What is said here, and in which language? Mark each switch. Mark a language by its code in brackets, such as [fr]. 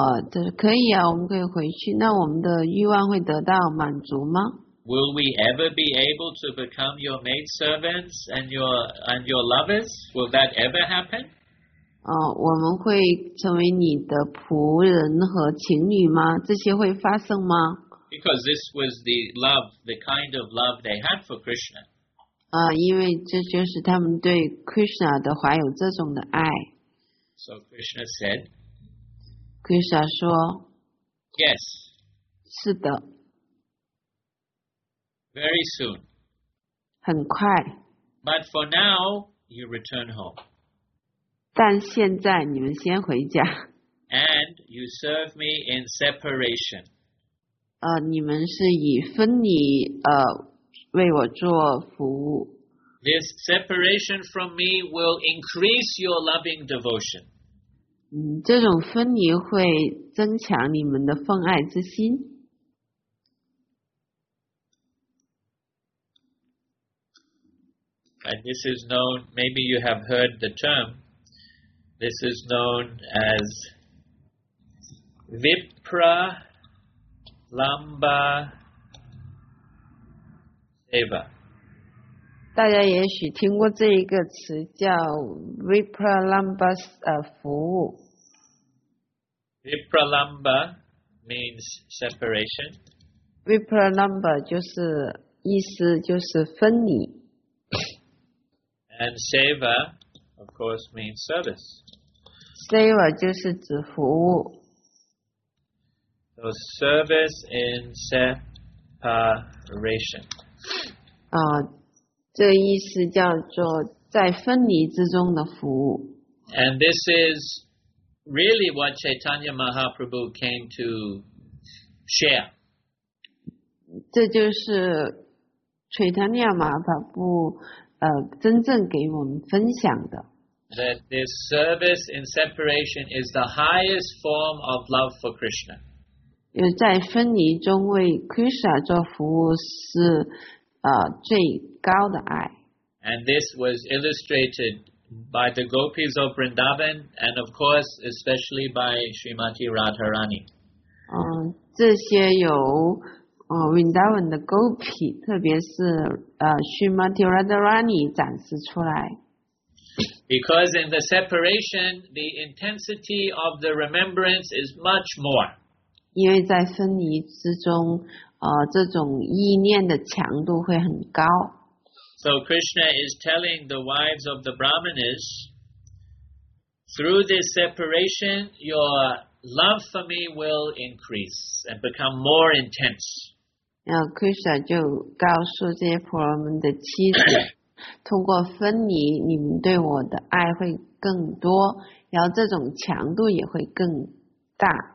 [zh] 这可以啊，我们可以回去，那我们的欲望会得到满足吗？ [en] Will we ever be able to become your maidservants and your lovers? Will that ever happen? [zh] 我们会成为你的仆人和情侣吗？这些会发生吗？ [en] Because this was the love, the kind of love they had for Krishna. [zh] 因为这就是他们对 Krishna 的怀有这种的爱。 [en] So Krishna said, [zh] Krishna 说 [en] Yes. [zh] 是的。 [en] Very soon. [zh] 很快。 [en] But for now, you return home. [zh] 但现在你们先回家。 [en] And you serve me in separation. [zh] 你们是以分离为我做服务。 [en] This separation from me will increase your loving devotion. [zh] 这种分离会增强你们的奉爱之心。 [en] And this is known, maybe you have heard the term. This is known as Vipra Lamba Seva. [zh] 大家也许听过这一个词叫 Vipra Lamba 服务。 [en] Vipra Lamba means separation. [zh] Vipra Lamba 就是意思就是分离。 [en] And Seva, of course, means service. [zh] Seva 就是指服务。 [en] So service in separation. [zh] 这意思叫做在分离之中的服务。 [en] And this is really what Chaitanya Mahaprabhu came to share. [zh] 这就是 Chaitanya Mahaprabhu, 真正给我们分享的。 [en] That this service in separation is the highest form of love for Krishna. [zh] 因为在分离中为 Krishna 做服务是最高的爱。 [en] And this was illustrated by the gopis of Vrindavan and of course especially by Srimati Radharani. [zh] 这些有Vrindavan 的 gopi 特别是Srimati Radharani 展示出来。 [en] Because in the separation, the intensity of the remembrance is much more. [zh] 因为在分离之中，这种意念的强度会很高。 [en] So Krishna is telling the wives of the Brahmanas, through this separation, your love for me will increase and become more intense. [zh] 然后 Krishna 就告诉这些婆罗门的妻子。通过分离，你们对我的爱会更多，然后这种强度也会更大。